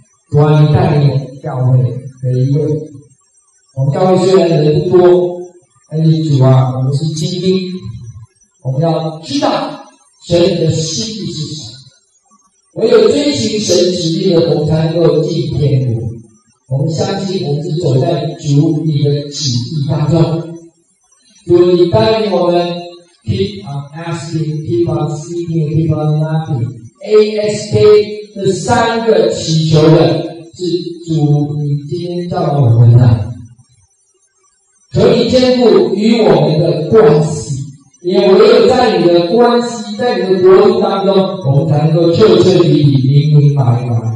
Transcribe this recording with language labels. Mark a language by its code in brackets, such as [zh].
[zh] 主啊，你带领教会每一位，我们教会虽然人不多，但是主啊，我们是精兵，我们要知道神的心意是什么。唯有遵循神旨意的，我们才能够进天国。我们相信，我们是走在主你的旨意当中。主，你带领我们 [en] ，keep on asking, keep on seeking, keep on knocking。 [zh] ASK 这三个祈求的是主，你今天叫我们的，可以兼顾与我们的关系，也唯有在你的关系，在你的国度当中，我们才能够彻彻底底明明白白